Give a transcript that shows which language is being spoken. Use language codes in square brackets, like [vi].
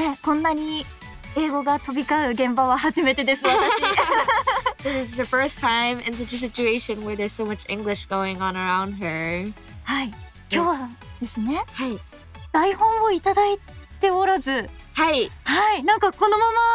[ja] こんなに英語が飛び交う現場は初めてです。 [en] So this is the first time in such a situation where there's so much English going on around her. [ja] はい。今日はですね。はい。台本をいただいておらず。はい。はい。なんかこのまま。